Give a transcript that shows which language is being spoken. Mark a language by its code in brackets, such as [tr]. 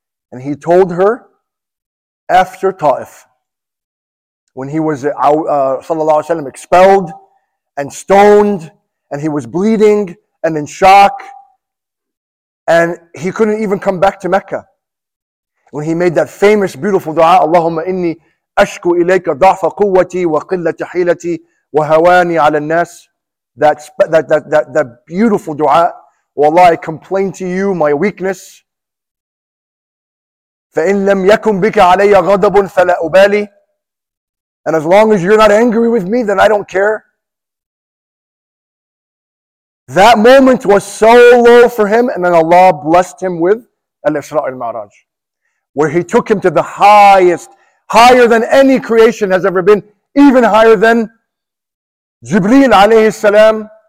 [en] And he told her, after Ta'if, when he was, sallallahu alayhi wa sallam, expelled and stoned, and he was bleeding and in shock, and he couldn't even come back to Mecca. When he made that famous, beautiful dua, [ar] Allahumma inni أشكو إليك ضعف قوتي وقلة حيلتي وهواني على الناس. [en] That beautiful dua. Wallah, I complain to you my weakness, [ar] فإن لم يكن بك علي غضب فلا أبالي. [en] And as long as you're not angry with me, then I don't care. That moment was so low for him, and then Allah blessed him with Al-Isra al-Ma'raj, where he took him to the highest, higher than any creation has ever been, even higher than Jibreel alayhi salam.